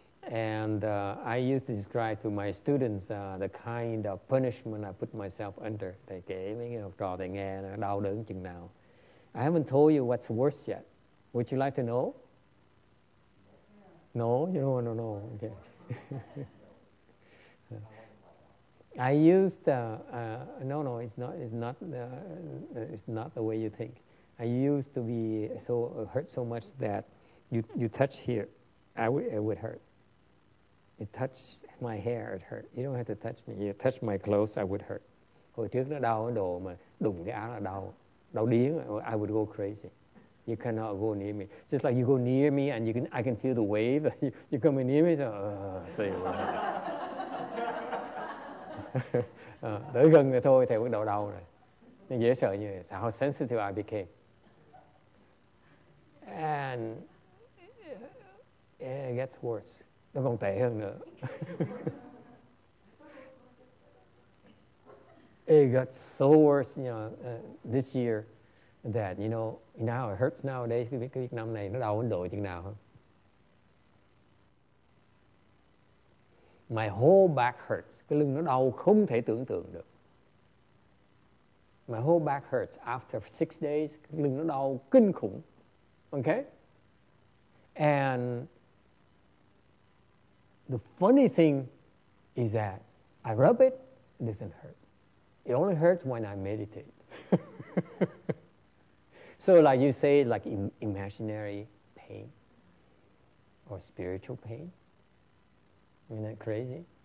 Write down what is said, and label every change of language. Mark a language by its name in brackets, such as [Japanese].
[English] And I used to describe to my students the kind of punishment I put myself under. [Vietnamese] Thầy kể mấy cái học trò thầy nghe nó đau đớn chừng nào. [English] I haven't told you what's worse yet. Would you like to know? No, you don't want to know. Okay. I used it's not the way you think. I used to be so hurt so much that you touch here, it would hurt. You touch my hair, it hurt. You don't have to touch me. You touch my clothes, I would hurt. [Vietnamese] Hồi trước nó đau đồ mà đụng cái áo là đau điên. [English] I would go crazy. You cannot go near me. Just like you go near me and I can feel the wave. You come near me, so stay away. [Vietnamese] Tới gần rồi thôi, thầy bắt đầu đau rồi. Nên dễ sợ như vậy. [English] How sensitive I became. And it gets worse. [Vietnamese] Nó còn tệ hơn nữa. [English] It got so worse, this year that, now it hurts nowadays. [Vietnamese] Cái Việt Nam này nó đau Ấn Độ chừng nào hả? [English] My whole back hurts. [Vietnamese] Cái lưng nó đau không thể tưởng tượng được. [English] My whole back hurts after 6 days. [Vietnamese] Cái lưng nó đau kinh khủng. [English] Okay? And the funny thing is that I rub it, it doesn't hurt. It only hurts when I meditate. So like you say, like imaginary pain or spiritual pain. Isn't that crazy?